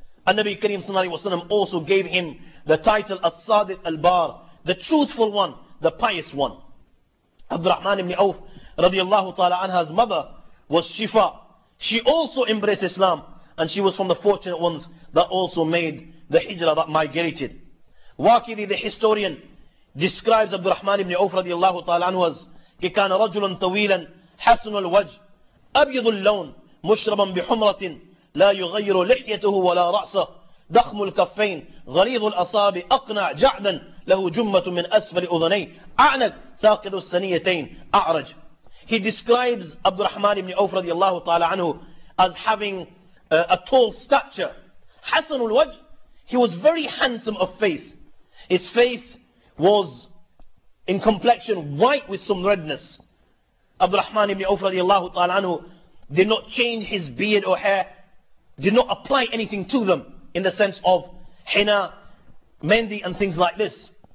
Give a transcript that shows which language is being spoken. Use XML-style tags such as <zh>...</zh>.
<en>And Nabi Karim sallallahu alayhi wa sallam also gave him the title As-Sadiq Al-Bar, the truthful one, the pious one. Abdul Rahman ibn Awf radiallahu ta'ala anha's mother was Shifa. She also embraced Islam, and she was from the fortunate ones that also made the hijrah, that migrated. Waqidi, the historian, describes Abdul Rahman ibn Awf radiallahu ta'ala anhu as</en> <ar>كَكَانَ رَجُلٌ طَوِيلًا حَسُنُ الْوَجْهِ أَبْيَضُ اللَّوْنِ مُشْرَبًا بِحُمْرَةٍ لَا يُغَيِّرُ لِحْيَتُهُ وَلَا رَأْسَهُ ضَخْمُ الْكَفَّيْنِ غَلِيظُ الْأَصَابِعِ أَقْنَعَ جَعْدًا لَهُ جُمَّةٌ مِنْ أَسْفَلِ أُذُنَيْهِ أَعْنَكُ ثَاقِلُ السَّنِيَّتَيْنِ أَعْرَجُ.</ar> <en>He describes Abdul Rahman ibn Awf radiallahu ta'ala anhu as having a tall stature.</en> <ar>حَسُنُ الْوَجْهِ,</ar> <en>he was very handsome of face. His face was in complexion white with some redness. Abdul Rahman ibn Awf radiallahu ta'ala anhu did not change his beard or hair, did not apply anything to them in the sense of henna, mehndi and things like this.</en>